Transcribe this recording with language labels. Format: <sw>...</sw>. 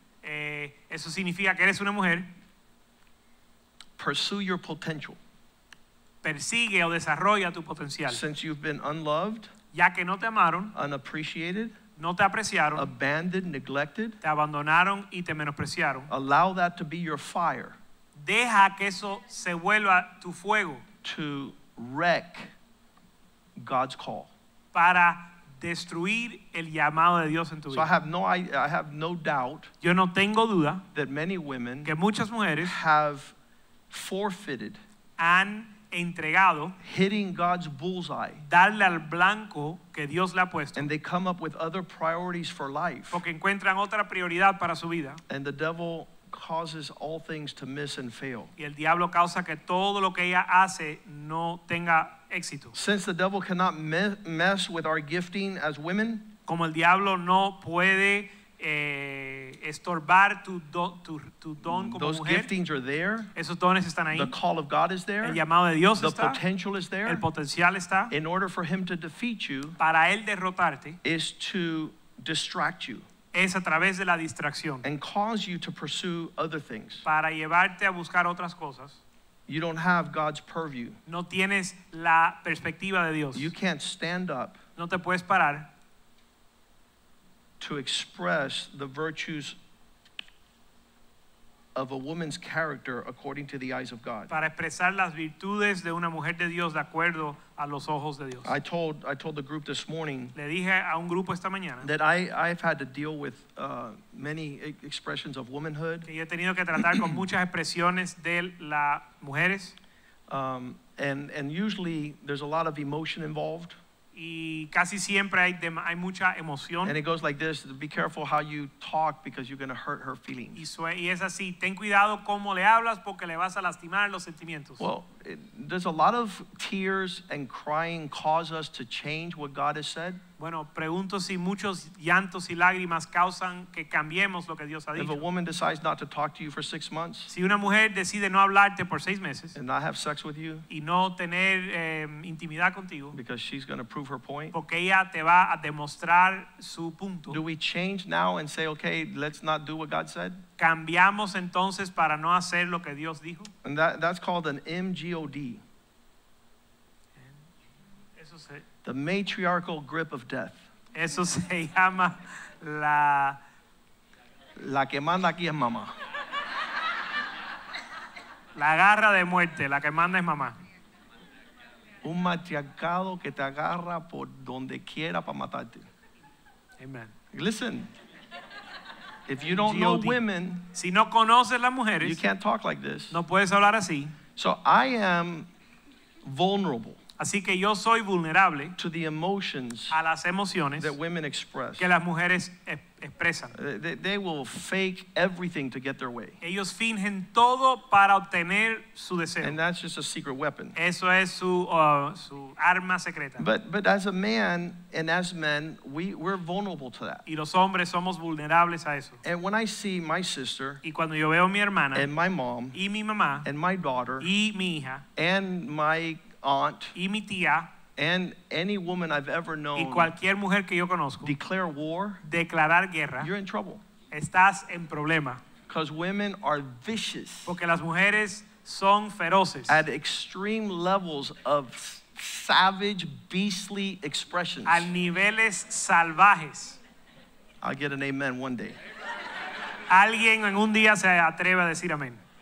<es>Eso significa que eres una mujer.</es> <en>Pursue your potential.</en> <es>Persigue o desarrolla tu potencial.</es> <en>Since you've been unloved,</en> <es>ya que no te amaron,</es> <en>unappreciated,</en> <es>no te apreciaron,</es> <en>abandoned, neglected,</en> <es>te abandonaron y te menospreciaron,</es> <en>allow that to be your fire.</en> <es>Deja que eso se vuelva tu fuego.</es> <en>To wreck God's call.</en> <es>Para destruir el llamado de Dios en tu vida.</es> <en>So I have no doubt,</en> <es>yo no tengo duda,</es> <en>that many women,</en> <es>que muchas mujeres,</es> <en>have forfeited,</en> <es>han entregado,</es> <en>hitting God's bullseye,</en> <es>darle al blanco que Dios le ha puesto,</es> <en>and they come up with other priorities for life,</en> <es>porque encuentran otra prioridad para su vida,</es> <en>and the devil causes all things to miss and fail.</en> <es>Y el diablo causa que todo lo que ella hace no tenga éxito.</es> <en>Since the devil cannot mess with our gifting as women,</en> <es>como el diablo no puede estorbar tu don como</es> <en>those</en> <es>mujer,</es> <en>giftings are there.</en> <es>Esos dones están ahí.</es> <en>The call of God is there.</en> <es>El llamado de Dios</es> <en>the</en> <es>está.</es> <en>The potential is there.</en> <es>El potencial está.</es> <en>In order for him to defeat you,</en> <es>para él derrotarte,</es> <en>is to distract you.</en> <es>Es a través de la distracción.</es> <en>And cause you to pursue other things.</en> <es>Para llevarte a buscar otras cosas.</es> <en>You don't have God's purview.</en> <es>No tienes la perspectiva de Dios.</es> <en>You can't stand up.</en> <es>No te puedes parar.</es> <en>To express the virtues of a woman's character according to the eyes of God.</en> <es>Para expresar las virtudes de una mujer de Dios de acuerdo a los ojos de Dios.</es> <en>I told the group this morning,</en> <es>le dije a un grupo esta mañana,</es> <en>that I've had to deal with many expressions of womanhood,</en> <es>que yo he tenido que tratar con muchas expresiones de las mujeres,</es> <en>and usually there's a lot of emotion involved,</en> <es>y casi siempre hay mucha emoción,</es> <en>and it goes like this: be careful how you talk because you're going to hurt her feelings.</en> <es>Y es así, ten cuidado cómo le hablas porque le vas a lastimar los sentimientos.</es> <en>Well, does a lot of tears and crying cause us to change what God has said?</en> <es>Bueno, pregunto si muchos llantos y lágrimas causan que cambiemos lo que Dios ha dicho.</es> <en>If a woman decides not to talk to you for 6 months,</en> <es>si una mujer decide no hablarte por 6 meses,</es> <en>and not have sex with you,</en> <es>y no tener intimidad contigo,</es> <en>because she's going to prove her point,</en> <es>porque ella te va a demostrar su punto.</es> <en>Do we change now and say, okay, let's not do what God said?</en> <es>Cambiamos entonces para no hacer lo que Dios dijo.</es> <en>And that's called an MGOD. The matriarchal grip of death.</en> <es>Eso se llama la La que manda aquí es mamá. La garra de muerte, la que manda es mamá. Un matriarcado que te agarra por donde quiera para matarte.</es> <en>Amen. Listen. If you don't know women,</en> <es>si no conoces las mujeres,</es> <en>you can't talk like this.</en> <es>No puedes hablar así.</es> <en>So I am vulnerable.</en> <es>Así que yo soy vulnerable</es> <en>to the emotions,</en> <es>a las emociones</es> <en>that women express,</en> <es>que las mujeres expresan.</es> <en>They will fake everything to get their way.</en> <es>Ellos fingen todo para obtener su deseo.</es> <en>And that's just a secret weapon.</en> <es>Eso es su arma secreta.</es> <en>But as a man and as men, we're vulnerable to that.</en> <es>Y los hombres somos vulnerables a eso.</es> <en>And when I see my sister,</en> <es>y cuando yo veo mi hermana,</es> <en>and my mom,</en> <es>y mi mamá,</es> <en>and my daughter,</en> <es>y mi hija,</es> <en>and my aunt,</en> <es>y mi tía,</es> <en>and any woman I've ever known,</en> <es>y cualquier mujer que yo conozco,</es> <en>declare war,</en> <es>declarar guerra,</es> <en>you're in trouble.</en> <es>Estás en problema.</es> <en>Because women are vicious.</en> <es>Porque las mujeres son feroces.</es> <en>At extreme levels of savage, beastly expressions.</en> <es>A niveles salvajes.</es> <en>I'll get an amen one day.</en> <es>Alguien en un día se atreve a decir amén.</es>